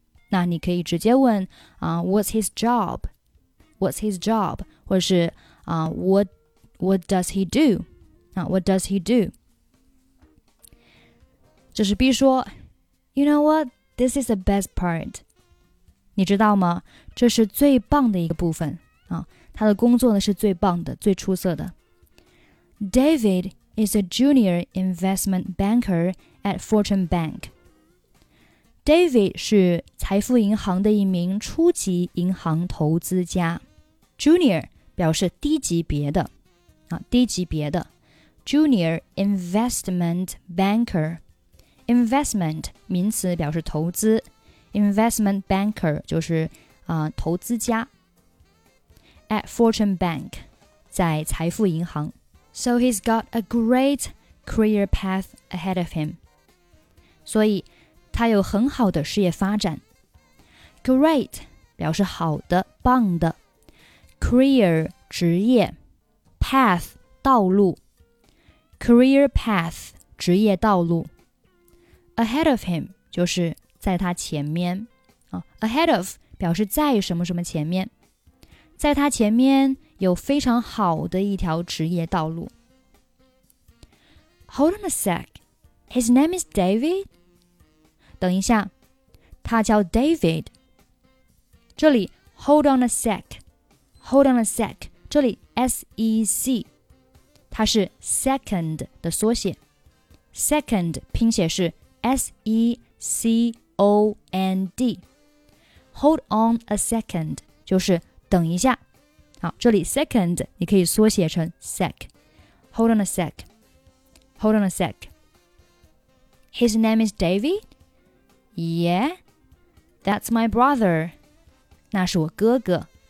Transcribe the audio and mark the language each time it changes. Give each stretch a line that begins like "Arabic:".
Chinese: 那你可以直接问、
English: What's his job? What's his job? 或者是、What does he do?、What does he do?
Chinese: 这是 B 说
English: You know what? This is the best part.
Chinese: 你知道吗？这是最棒的一个部分啊，他的工作呢是最棒的，最出色的。
English: David is a junior investment banker at Fortune Bank.
Chinese: David 是财富银行的一名初级银行投资家。 Junior 表示低级别的、啊、低级别的 Junior investment banker. Investment 名词表示投资， Investment banker 就是、投资家。
English: At Fortune Bank,
Chinese: 在财富银行。
English: So he's got a great career path ahead of him.
Chinese: 所以他有很好的事业发展。Great 表示好的、棒的。 Career 职业， Path 道路。 Career path 职业道路。Ahead of him 就是在他前面、Ahead of 表示在什么什么前面，在他前面有非常好的一条职业道路。
English: Hold on a sec. His name is David?
Chinese: 等一下，他叫 David。
English: 这里 Hold on a sec. Hold on a sec.
Chinese: 这里 SEC 它是 second 的缩写。 Second 拼写是 S-E-C-O-N-D。 Hold on a second 就是等一下，好，这里 second 你可以缩写成 sec。
English: Hold on a sec. Hold on a sec. His name is David? Yeah, that's my brother.
Chinese: 那是我哥哥。